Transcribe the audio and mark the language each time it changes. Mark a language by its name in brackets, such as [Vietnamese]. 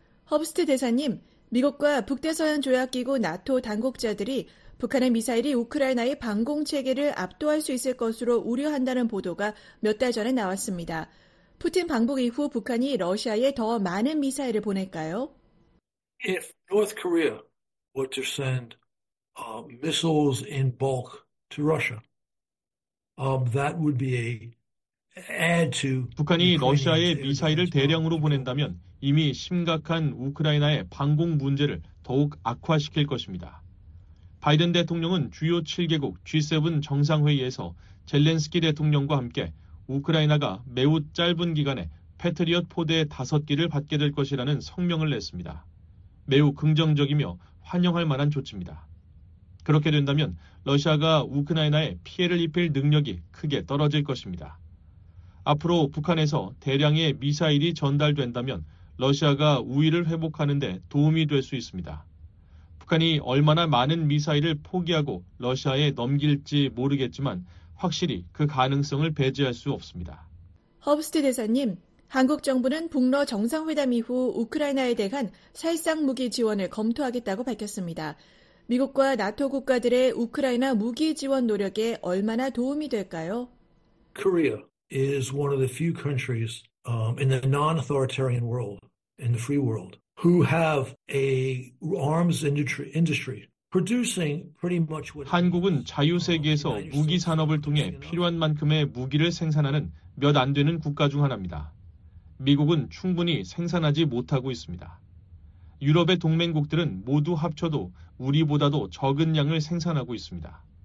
[Korean] 허브스트 대사님, 미국과 북대서양 조약기구 나토 당국자들이 북한의 미사일이 우크라이나의 방공체계를 압도할 수 있을 것으로 우려한다는 보도가 몇 달 전에 나왔습니다. 푸틴 방북 이후 북한이 러시아에 더 많은 미사일을 보낼까요? [English] If North Korea were to send missiles in bulk to Russia, that would be a add to [Korean] 북한이 러시아에 미사일을 대량으로 보낸다면 이미 심각한 우크라이나의 방공 문제를 더욱 악화시킬 것입니다. 바이든 대통령은 주요 7개국 G7 정상회의에서 젤렌스키 대통령과 함께 우크라이나가 매우 짧은 기간에 패트리엇 포대의 5기를 받게 될 것이라는 성명을 냈습니다. 매우 긍정적이며 환영할 만한 조치입니다. 그렇게 된다면 러시아가 우크라이나에 피해를 입힐 능력이 크게 떨어질 것입니다. 앞으로 북한에서 대량의 미사일이 전달된다면 러시아가 우위를 회복하는 데 도움이 될 수 있습니다. 북한이 얼마나 많은 미사일을 포기하고 러시아에 넘길지 모르겠지만 확실히 그 가능성을 배제할 수 없습니다. 허브스트 대사님, 한국 정부는 북러 정상회담 이후 우크라이나에 대한 살상 무기 지원을 검토하겠다고 밝혔습니다. 미국과 나토 국가들의 우크라이나 무기 지원 노력에 얼마나 도움이 될까요? [English] Korea is one of the few countries in the non-authoritarian world, in the free world, who have a arms industry producing pretty much what. [Korean] 한국은 자유 세계에서 무기 산업을 통해 필요한 만큼의 무기를 생산하는 몇 안 되는 국가 중 하나입니다. 미국은 충분히 생산하지 못하고 있습니다. 유럽의 동맹국들은 모두 합쳐도 우리보다도 적은 양을 생산하고 있습니다.